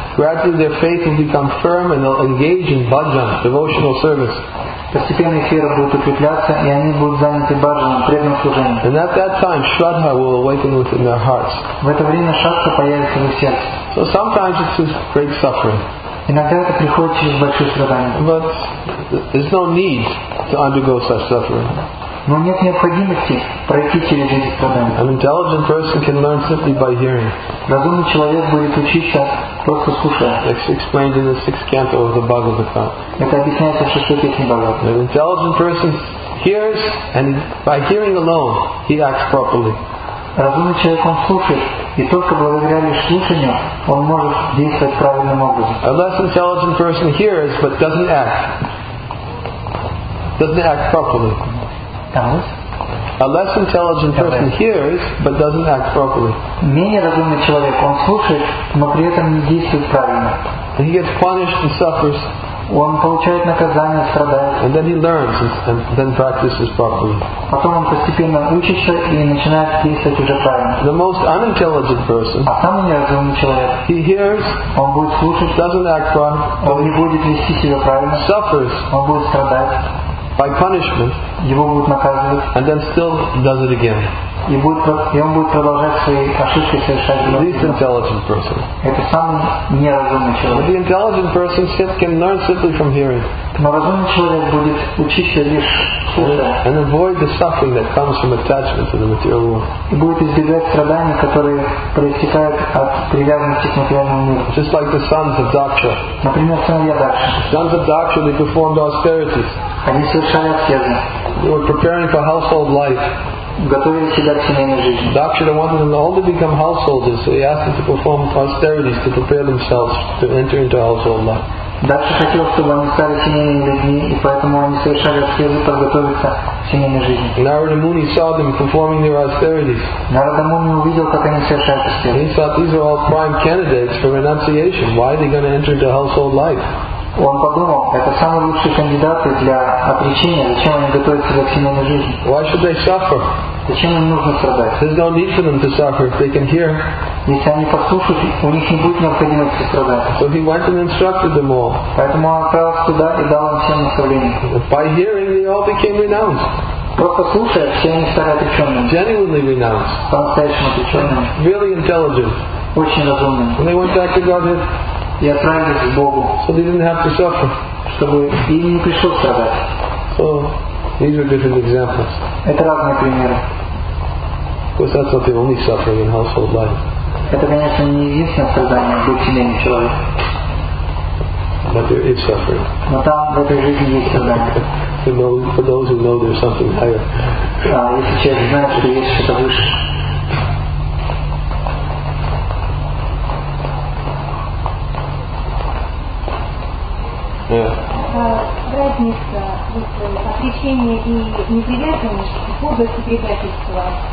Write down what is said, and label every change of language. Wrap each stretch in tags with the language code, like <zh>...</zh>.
<en>Gradually their faith will become firm and they'll engage in bhajan, devotional service.</en> <ru>Постепенно их вера будет укрепляться, и они будут заняты бхаджаном, преданным служением.</ru> <en>And at that time, shraddha will awaken within their hearts.</en> <ru>В это время шрадха появится в их сердце.</ru> <en>So sometimes it's just great suffering.</en> <ru>Иногда это приходит через большие страдания.</ru> <en>But there's no need to undergo such suffering.</en> <ru>Но нет необходимости пройти через эти страдания.</ru> <en>An intelligent person can learn simply by hearing.</en> <ru>Разумный человек будет учиться просто слушая.</ru> <en>It's explained in the sixth canto of the Bhagavatam.</en> <ru>Это объясняется в шестой песне Бхагавата.</ru> <en>An intelligent person hears and by hearing alone he acts properly.</en> <ru>Разумный человек он слушает и только благодаря лишь слушанию он может действовать правильным образом.</ru> <en>A less intelligent person hears but doesn't act properly. A less intelligent person hears but doesn't act properly.</en> <ru>Менее разумный человек, он слушает, но при этом не действует правильно.</ru> <en>He gets punished and suffers.</en> <ru>Он получает наказание, страдает.</ru> <en>And then he learns and then practices properly.</en> <ru>Потом он постепенно учится и начинает действовать уже правильно.</ru> <en>The most unintelligent person.</en> <ru>А самый неразумный человек.</ru> <en>He hears.</en> <ru>Он будет слушать.</ru> <en>Doesn't act wrong.</en> <ru>Он не будет вести себя правильно.</ru> <en>Suffers.</en> <ru>Он будет страдать.</ru> <en>By punishment,</en> <ru>его будут наказывать,</ru> <en>and then still does it again.</en> <ru>И он будет продолжать свои ошибки совершать.</ru> <en>The least intelligent person.</en> <ru>Это самый неразумный человек.</ru> <en>But the intelligent person can learn simply from hearing.</en> <ru>Но разумный человек будет учиться лишь слушая.</ru> <en>And avoid the suffering that comes from attachment to the material world.</en> <ru>И будет избегать страданий, которые проистекают от привязанности к материальному миру.</ru> <en>Just like the sons of Daksha.</en> <ru>Например, сыновья Дакши.</ru> <en>Sons of Daksha, they performed austerities.</en> <ru>Они совершали аскезы.</ru> <en>They were preparing for household life.</en> <ru>Готовили себя к семейной жизни.</ru> <en>Dakshina wanted them all to become householders, so he asked them to perform austerities to prepare themselves to enter into household life.</en> <ru>Дакши хотел, чтобы они стали семейными людьми, и поэтому они совершали аскезы, подготовиться к семейной жизни.</ru> <en>Narada Muni saw them performing their austerities.</en> <ru>Narada Muni увидел, как они совершают аскезы.</ru> <en>He thought these are all prime candidates for renunciation. Why are they going to enter into household life?</en> <ru>Он подумал, это самые лучшие кандидаты для отречения, зачем они готовятся к семейной жизни.</ru> <en>Why should they suffer?</en> <ru>Зачем им нужно страдать?</ru> <en>There's no need for them to suffer if they can hear.</en> <ru>Если они послушают, у них не будет необходимости страдать.</ru> <en>So he went and instructed them all.</en> <ru>Поэтому он отправился туда и дал им всем наставление.</ru> <en>By hearing, they all became renounced.</en> <ru>Просто слушая, все они стали отреченными.</ru> <en>Genuinely renounced.</en> <ru>По-настоящему отреченными.</ru> <en>Really intelligent.</en> <ru>Очень разумными.</ru> <en>And they went back to Godhead.</en> <ru>И отправились к Богу.</ru> <en>So they didn't have to suffer.</en> <ru>Чтобы им не пришлось страдать.</ru> <en>So, these are different examples.</en> <ru>Это разные примеры.</ru> <en>Because that's not the only suffering in household life.</en> <ru>Это, конечно, не единственное страдание в быть семейным человеком.</ru> <en>But there is suffering.</en> <ru>Но там в этой жизни есть страдание.</ru> <en>You know, for those who know there's something higher.</en> <ru>Если человек знает, что есть что-то выше.</ru> <en>Yeah.</en> <ru>разница в отречении и неприверженности, гордости и предательства?</ru>